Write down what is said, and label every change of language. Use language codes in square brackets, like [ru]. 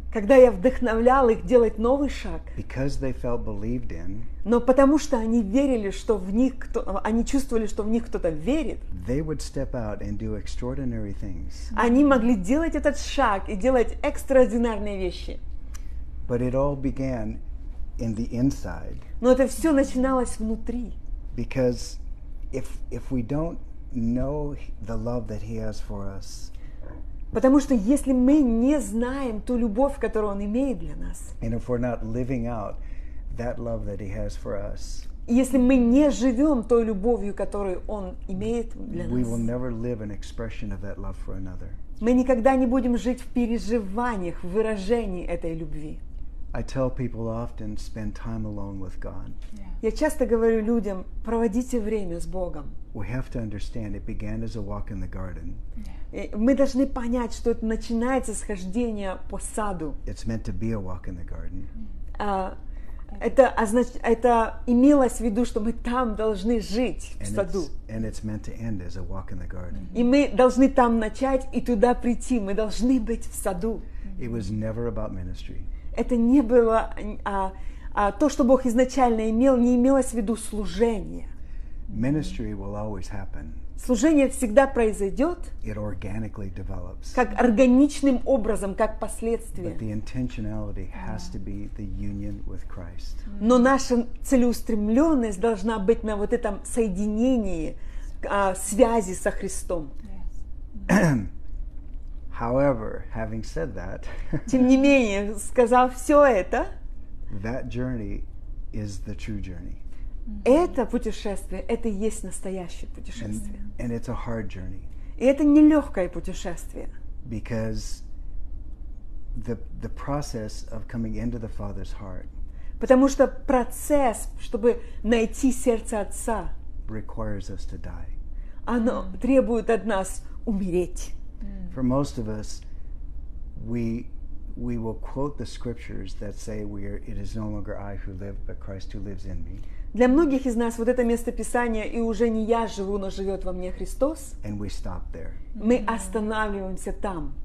[ru] Когда я вдохновлял их делать новый шаг. [en] Because they felt believed in. [ru] Но потому что они верили, что в них кто, они чувствовали, что в них кто-то верит. [en] They would step out and do extraordinary things. [ru] Они могли делать этот шаг и делать экстраординарные вещи. [en] But it all began in the inside. [ru] Но это все начиналось внутри. [en] Because if we don't know the love that he has for us. [ru] Потому что если мы не знаем ту любовь, которую он имеет для нас. [en] And if we're not living out that love that he has for us. [ru] Если мы не живем той любовью, которую он имеет для нас. [en] We will never live an expression of that love for another. [ru] Мы никогда не будем жить в переживаниях, в выражении этой любви. [en] I tell people often, spend time alone with God. [ru] Я часто говорю людям, проводите время с Богом. [en] We have to understand it began as a walk in the garden. [ru] Мы должны понять, что это начинается с хождения по саду. [en] It's meant to be a walk in the garden. [ru] Это имелось в виду, что мы там должны жить, в саду. [en] And it's meant to end as a walk in the garden. [ru] И мы должны там начать и туда прийти. Мы должны быть в саду. [en] It was never about ministry. [ru] Это не было то, что Бог изначально имел, не имелось в виду служение. [en] Ministry will always happen. [ru] Служение всегда произойдет. [en] It organically develops. [ru] Как органичным образом, как последствие. [en] But the intentionality has to be the union with Christ. [ru] Но наша целеустремленность должна быть на вот этом соединении, связи со Христом. [en] However, having said that, [ru] тем не менее, сказав все это, [en] that journey is the true journey. [ru] Это путешествие, это и есть настоящее путешествие. [en] And it's a hard journey. [ru] И это нелегкое путешествие. [en] Because the process of coming into the Father's heart. [ru] Потому что процесс, чтобы найти сердце Отца, [en] requires us to die. [ru] Оно требует от нас умереть. [en] For most of us, we will quote the scriptures that say we are, it is no longer I who live, but Christ who lives in me. [ru] Для многих из нас вот это место Писания и уже не я живу, но живет во мне Христос. [en] And we stop there. [ru] Мы останавливаемся там.